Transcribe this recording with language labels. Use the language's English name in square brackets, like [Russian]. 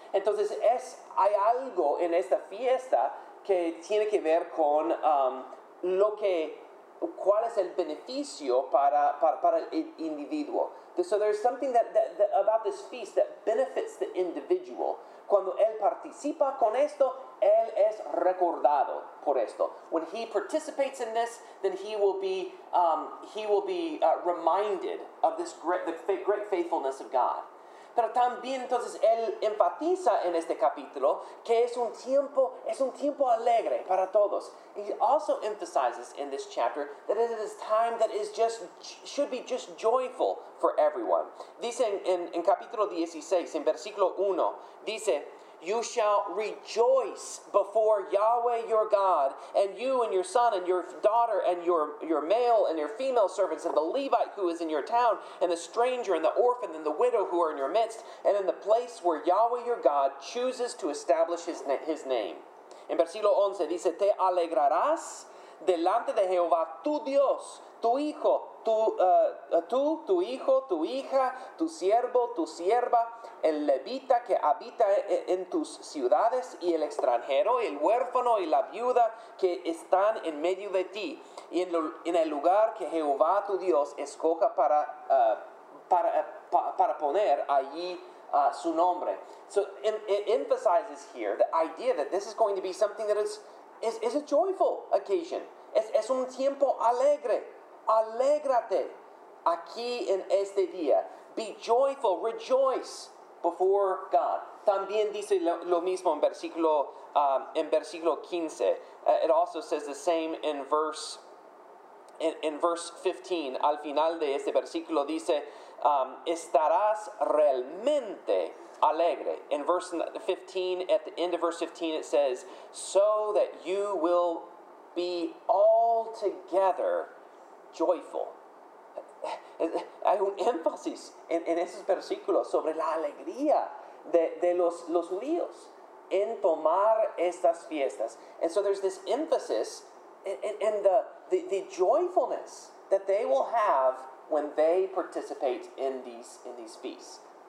[Spanish] Entonces hay algo en esta fiesta que tiene que ver con lo que cuál es el beneficio para el individuo. [English] So there's something that about this feast that benefits the individual. [Spanish] Cuando él participa con esto, él es recordado por esto. [English] When he participates in this, then he will be reminded of this great faithfulness of God. [Spanish] Pero también entonces él enfatiza en este capítulo que es un tiempo alegre para todos. [English] He also emphasizes in this chapter that it is time that is just should be just joyful for everyone. [Spanish] Dice en capítulo 16, en versículo 1, dice, [English] you shall rejoice before Yahweh your God, and you and your son and your daughter and your male and your female servants, and the Levite who is in your town, and the stranger and the orphan and the widow who are in your midst, and in the place where Yahweh your God chooses to establish his name. [Spanish] En versículo 11 dice, te alegrarás delante de Jehová, tu Dios, tu hijo, tu hijo, tu hija, tu siervo, tu sierva, el levita que habita en tus ciudades y el extranjero, el huérfano y la viuda que están en medio de ti y en el lugar que Jehová tu Dios escoja para poner allí su nombre. [English] So it emphasizes here the idea that this is going to be something that is a joyful occasion. [Spanish] Es un tiempo alegre. Alégrate aquí en este día. [English] Be joyful, rejoice before God. [Spanish] También dice lo mismo en versículo 15. [English] It also says the same in verse 15. [Spanish] Al final de este versículo dice, estarás realmente alegre. [English] In verse 15, at the end of verse 15, it says, so that you will be altogether joyful. [Spanish] Hay un énfasis en esos versículos sobre la alegría de los judíos en tomar estas fiestas. [English] And so there's this emphasis in the joyfulness that they will have when they participate in these feasts.